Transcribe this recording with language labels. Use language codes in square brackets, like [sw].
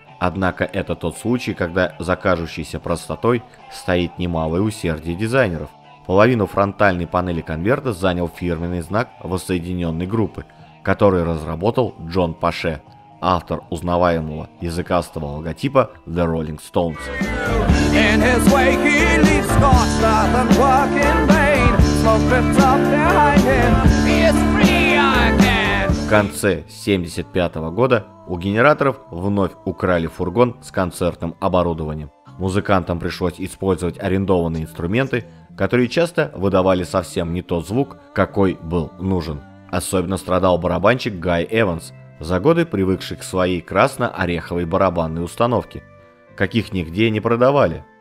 [ru] Однако это тот случай, когда за кажущейся простотой стоит немалое усердие дизайнеров. Половину фронтальной панели конверта занял фирменный знак воссоединенной группы, который разработал Джон Паше, автор узнаваемого языкастого логотипа The Rolling Stones. [en] In his wake he leaves scorched earth and work in vain. Smoke drifts up behind him. He is free again. [ru] В конце 75 года у генераторов вновь украли фургон с концертным оборудованием. Музыкантам пришлось использовать арендованные инструменты, которые часто выдавали совсем не тот звук, какой был нужен. Особенно страдал барабанщик Гай Эванс, за годы привыкший к своей красно-ореховой барабанной установке, каких нигде не продавали.